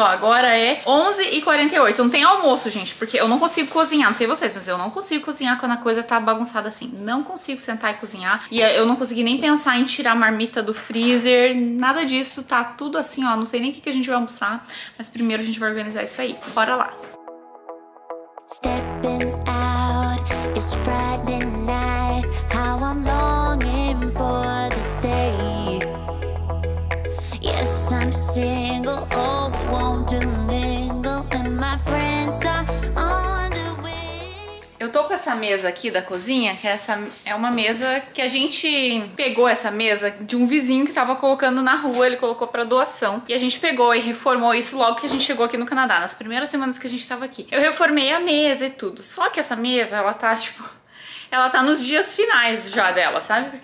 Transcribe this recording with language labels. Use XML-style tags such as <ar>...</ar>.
<pt>Ó, agora é 11h48. Não tem almoço, gente, porque eu não consigo cozinhar. Não sei vocês, mas eu não consigo cozinhar quando a coisa tá bagunçada assim. Não consigo sentar e cozinhar. E eu não consegui nem pensar em tirar a marmita do freezer. Nada disso. Tá tudo assim, ó. Não sei nem o que a gente vai almoçar. Mas primeiro a gente vai organizar isso aí. Bora lá.</pt> <en>Stepping out, it's Friday night. How I'm longing for this day. Yes, I'm single. Oh, we want to mingle. And my friends are on the way.</en> <pt>Eu tô com essa mesa aqui da cozinha, que essa é uma mesa que a gente pegou essa mesa de um vizinho que tava colocando na rua, ele colocou para doação. E a gente pegou e reformou isso logo que a gente chegou aqui no Canadá, nas primeiras semanas que a gente tava aqui. Eu reformei a mesa e tudo. Só que essa mesa, ela tá tipo. Ela tá nos dias finais já dela, sabe?</pt>